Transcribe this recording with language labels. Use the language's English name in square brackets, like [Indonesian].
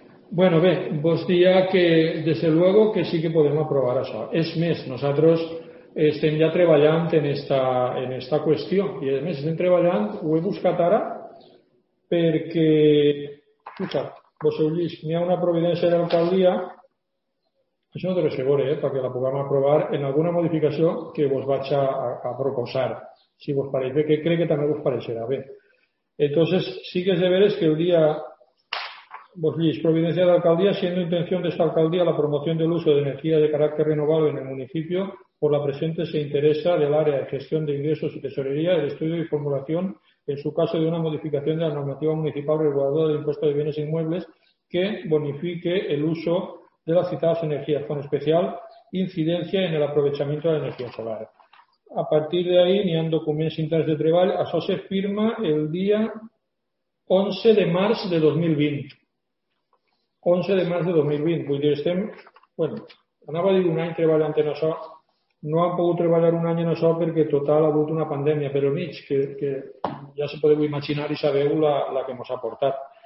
[Spanish] Bueno, ve, vos día que, desde luego, que sí que podemos aprobar eso. [Catalan] Es mes, nosotros estem ya treballant en esta cuestión. Y es mes, estem treballant, ho he buscat ara, perquè, [Spanish] escucha, [Catalan] vos oís, n'hi ha una providència de l'alcaldia, això no te lo asseguro, perquè la puguem aprovar en alguna modificació que vos vaig a proposar, si vos pareix bé, que crec que també vos pareixerà bé. [Spanish] Entonces, sí que es deberes que el día vos lleis providencia de alcaldía, siendo intención de esta alcaldía la promoción del uso de energía de carácter renovable en el municipio, por la presente se interesa del área de gestión de ingresos y tesorería, el estudio y formulación, en su caso, de una modificación de la normativa municipal reguladora del impuesto de bienes inmuebles que bonifique el uso de las citadas energías, con especial incidencia en el aprovechamiento de la energía solar. [Catalan] A partir de ahí, ni han [Spanish] documentos internos [Catalan] de treball, això se firma el dia 11 de març de 2020. 11 de març de 2020. Vull dir, estem... Bueno, anava a dir un any treballant en això. No han pogut treballar un any en això perquè, total, ha hagut una pandèmia per al mig, que ja se podeu imaginar i sabeu la que ens ha portat.